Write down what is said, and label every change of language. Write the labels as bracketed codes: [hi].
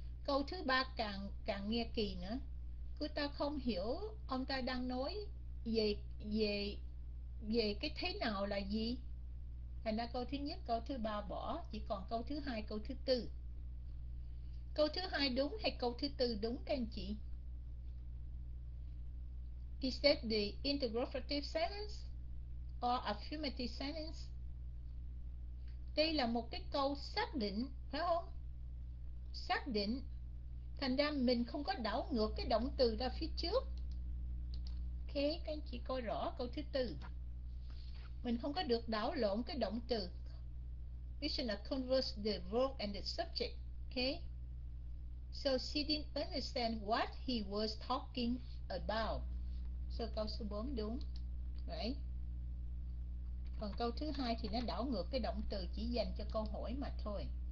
[vi] câu thứ ba càng càng nghe kỳ nữa. Cứ ta không hiểu ông ta đang nói về về về cái thế nào là gì. Thành ra câu thứ nhất, câu thứ ba bỏ, chỉ còn câu thứ hai, câu thứ tư. Câu thứ hai đúng hay câu thứ tư đúng các anh chị? [en] Is that the interrogative sentence or affirmative sentence? [vi] Đây là một cái câu xác định, phải không? Xác định. Thành ra mình không có đảo ngược cái động từ ra phía trước. Ok, các anh chị coi rõ câu thứ tư. Mình không có được đảo lộn cái động từ. [en] We should not converse the verb and the subject. Okay. So she didn't understand what he was talking about. [vi] So câu số 4 đúng. Right. Còn câu thứ hai thì nó đảo ngược cái động từ chỉ dành cho câu hỏi mà thôi.